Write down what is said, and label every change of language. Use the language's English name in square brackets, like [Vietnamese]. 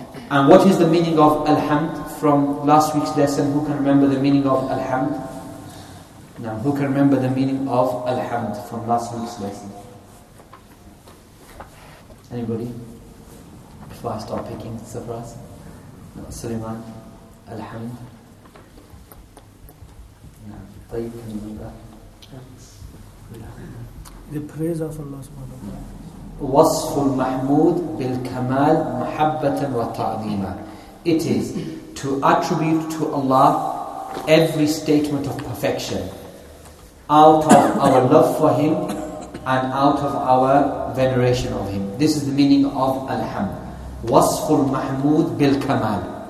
[English] And what is the meaning of Alhamd? From last week's lesson, who can remember the meaning of Alhamd? Now, who can remember the meaning of Alhamd from last week's lesson? Anybody? Before I start picking, surprise. [Arabic] سليمان الحمد طيب من الله [English] The praise of Allah subhanahu wa ta'ala. [Arabic] وصف المحمود بالكمال محبة وتعظيما. [English] It is to attribute to Allah every statement of perfection out of our love for Him and out of our veneration of Him. This is the meaning of Alhamd. [Arabic] وصف المحمود بالكمال.